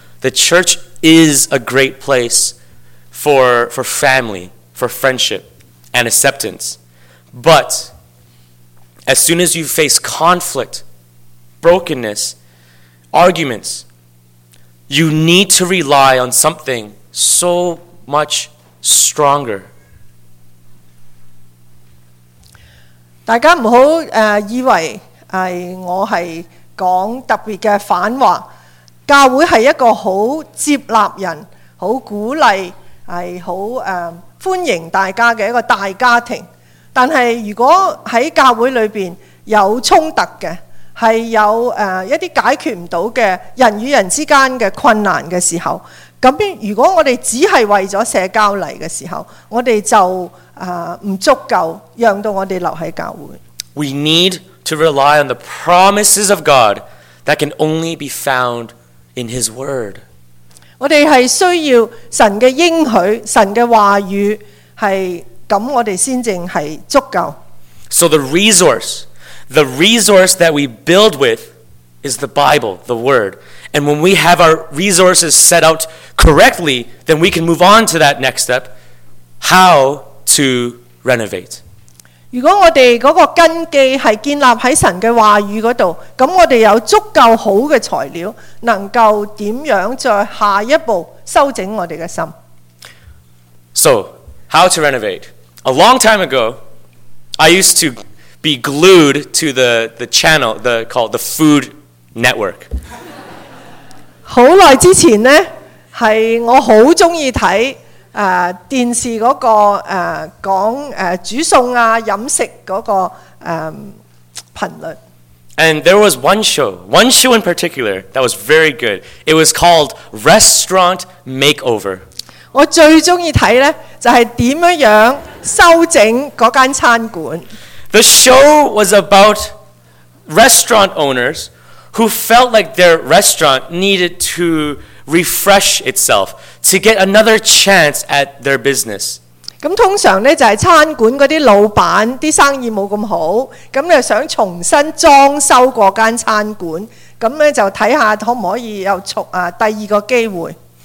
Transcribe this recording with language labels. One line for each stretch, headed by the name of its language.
English: The church is a great place for family, for friendship, and acceptance. But as soon as you face conflict, brokenness, arguments, you need to rely on something so much stronger.
Cantonese: 大家唔好以為我係讲特别的反话，教会是一个很接纳人、很鼓励、很欢迎大家的一个大家庭。但是如果在教会里面有冲突的，是有一些解决不到的人与人之间的困难的时候，如果我们只是为了社交来的时候，我们就不足够让到我们留在教会。
English: We need to rely on the promises of God that can only be found in His Word.
Cantonese: 我们是需要神的应许，神的话语，是这样我们才是足够。
English: So the resource that we build with is the Bible, the Word. And when we have our resources set out correctly, then we can move on to that next step, how to renovate.
Cantonese: 如果我们那个根基是建立在神的话语那里，那我们有足够好的材料，能够怎样再下一步修整我们的心。
English: So, how to renovate? A long time ago, I used to be glued to the channel called the Food Network.
Cantonese: 很久之前呢，是我很喜欢看電視那個講煮餸啊、飲食那個頻率。
English: And there was one show in particular that was very good. It was called Restaurant Makeover.
Cantonese: 我最喜歡看呢，就是怎樣修整那間餐館。
English: The show was about restaurant owners who felt like their restaurant needed to refresh itself to get another chance at their business.
Cantonese: 咁通常咧就係餐館嗰啲老闆啲生意冇咁好，咁咧想重新裝修過間餐館，咁咧就睇下可唔可以又第二個機會。